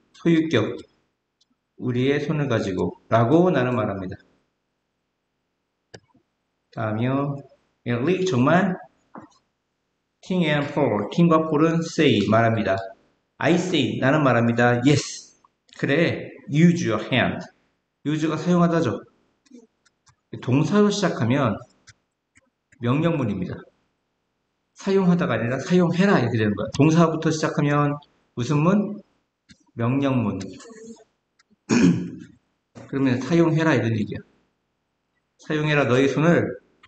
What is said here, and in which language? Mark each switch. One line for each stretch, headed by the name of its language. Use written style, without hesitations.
Korean: 소유격 우리의 손을 가지고 라고 나는 말합니다. 다음이요. Really, 정말? Ting and Paul. Ting과 Paul은 say, 말합니다. I say, 나는 말합니다.
English: Yes.
Korean: 그래,
English: use your hand.
Korean: use가 사용하다죠. 동사로 시작하면 명령문입니다. 사용하다가 아니라 사용해라 이렇게 되는 거야. 동사부터 시작하면 무슨 문? 명령문. 그러면 사용해라 이런 얘기야. 사용해라 너의 손을